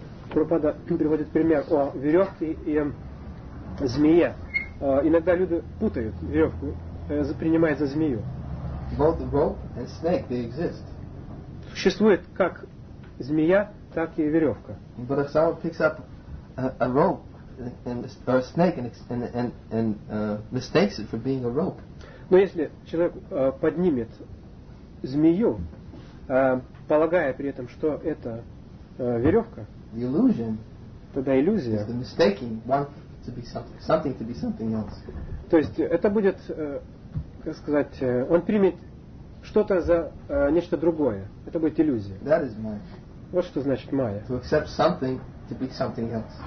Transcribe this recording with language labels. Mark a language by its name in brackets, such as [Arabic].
[Russian] Prabhupada приводит пример о веревке и змее. Иногда люди путают веревку, принимают за змею. [English] Both rope and snake, they exist. [Russian] Существует как змея, так и веревка. [English] But if someone picks up a rope and or a snake and mistakes it for being a rope. [Russian] Но если человек поднимет змею, полагая при этом, что это веревка, [English] the illusion, [Russian] тогда иллюзия. [English] The mistaking one to be something to be something else. [Russian] То есть это будет, как сказать, он примет что-то за нечто другое. Это будет иллюзия. [English] That is mine. [Russian] Вот что значит майя. [English] To accept something to be something else.